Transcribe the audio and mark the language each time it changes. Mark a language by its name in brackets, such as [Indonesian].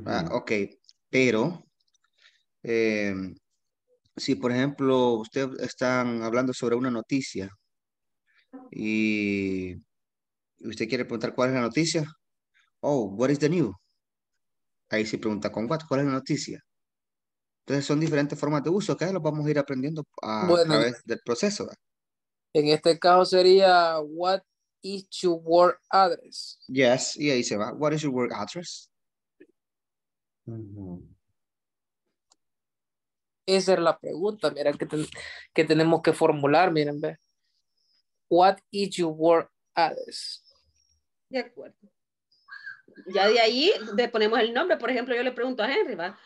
[Spanish] Ok, pero si por ejemplo usted están hablando sobre una noticia y usted quiere preguntar cuál es la noticia, [English] oh, what is the news? [Spanish] Ahí se pregunta con what, cuál es la noticia. Entonces son diferentes formas de uso que los vamos a ir aprendiendo a, bueno, a través del proceso. En este caso sería [English] what is your work address? Yes, [Spanish] y ahí se va, [English] what is your work address? [Spanish] Esa es la pregunta, mira, que tenemos que formular, miren, ve. [English] What is your work address? [Spanish] De acuerdo. Ya de ahí le ponemos el nombre. Por ejemplo, yo le pregunto a Henry, ¿va?